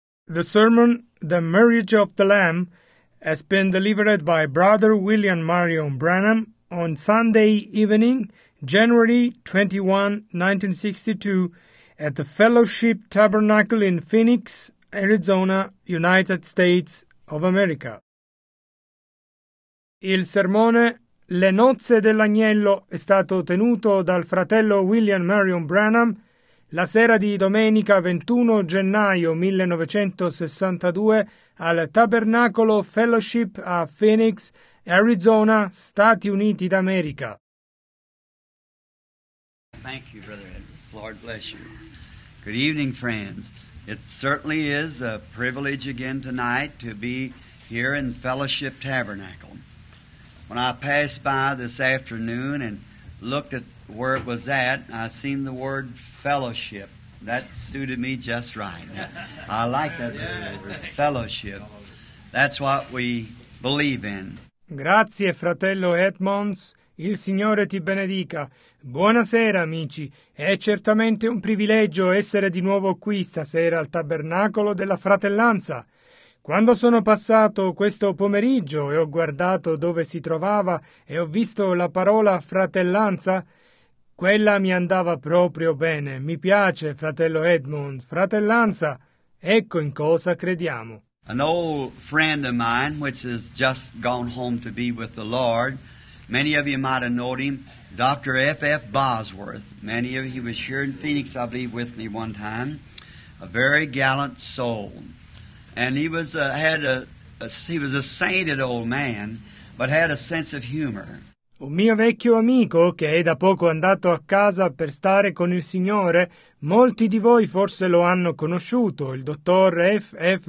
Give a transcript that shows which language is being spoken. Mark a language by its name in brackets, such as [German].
[English] The sermon, The Marriage of the Lamb, has been delivered by Brother William Marion Branham on Sunday evening, January 21, 1962, at the Fellowship Tabernacle in Phoenix, Arizona, United States of America. [Italian] Il sermone Le nozze dell'agnello è stato tenuto dal fratello William Marion Branham la sera di domenica 21 gennaio 1962 al Tabernacolo Fellowship a Phoenix, Arizona, Stati Uniti d'America. [English] Thank you, Brother Edwards. Lord bless you. Good evening, friends. It certainly is a privilege again tonight to be here in Fellowship Tabernacle. When I passed by this afternoon and looked at where it was at, I seen the word fellowship. That suited me just right. I like that word, fellowship. That's what we believe in. [Italian] Grazie, fratello Edmonds. Il Signore ti benedica. Buonasera, amici. È certamente un privilegio essere di nuovo qui stasera al Tabernacolo della Fratellanza. Quando sono passato questo pomeriggio e ho guardato dove si trovava e ho visto la parola fratellanza, quella mi andava proprio bene. Mi piace, fratello Edmund, fratellanza, ecco in cosa crediamo. [English] An old friend of mine, which has just gone home to be with the Lord, many of you might have known him, Dr. F.F. Bosworth. Many of you, he was here in Phoenix, I believe, with me one time. A very gallant soul. And he was a sainted old man, but had a sense of humor. [Italian] Un mio vecchio amico che è da poco andato a casa per stare con il Signore, molti di voi forse lo hanno conosciuto, il dottor F. F.